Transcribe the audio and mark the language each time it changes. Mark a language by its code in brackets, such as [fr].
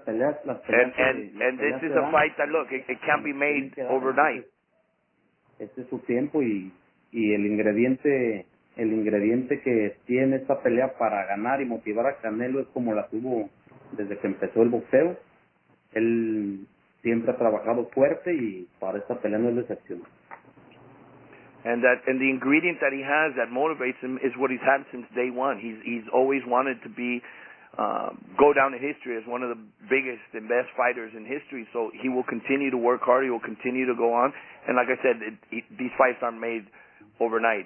[en] this is a fight that, look, it can't be made overnight. [es] Este es su tiempo y el ingrediente que tiene esta pelea para ganar y motivar a Canelo es como la tuvo desde que empezó el boxeo. Él siempre ha trabajado fuerte y para esta pelea no es la excepción. [en] And the ingredient that he has that motivates him is what he's had since day one. He's always wanted to be go down to history as one of the biggest and best fighters in history. So he will continue to work hard. He will continue to go on. And like I said, these fights aren't made overnight.